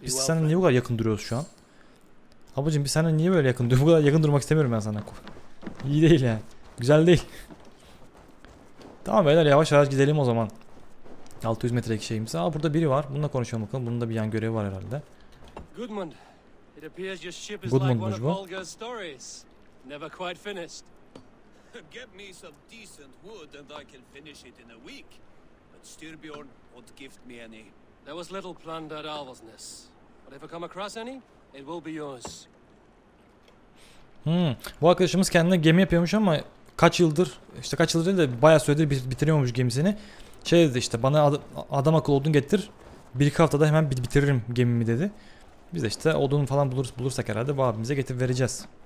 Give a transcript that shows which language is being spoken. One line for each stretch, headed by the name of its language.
Turkish: Biz seninle niye bu kadar yakın duruyoruz şu an? Ablacığım biz seninle niye böyle yakın duruyoruz? Bu kadar yakın durmak istemiyorum ben sana. İyi değil yani. Güzel değil. Tamam beyler yavaş yavaş gidelim o zaman. 600 metrelik şeyimiz. Aa burada biri var. Bununla konuşalım bakalım. Bunun da bir yan görevi var herhalde.
English: It appears your ship is like one of Bulger's stories. Never quite finished. Get me some decent wood and I can finish it in a week. But Styrbjorn won't gift me any. There was little plunder at Alvesnes. But if I come across any, it will be yours. Hmm.
Turkish: Bu arkadaşımız kendine gemi yapıyormuş ama kaç yıldır, işte kaç yıldır değil de bayağı süredir bitiriyormuş gemisini. Şey dedi işte, bana adam akıllı odun getir, bir iki haftada hemen bitiririm gemimi dedi. Biz de işte odun falan bulursak herhalde bu abimize getirip vereceğiz.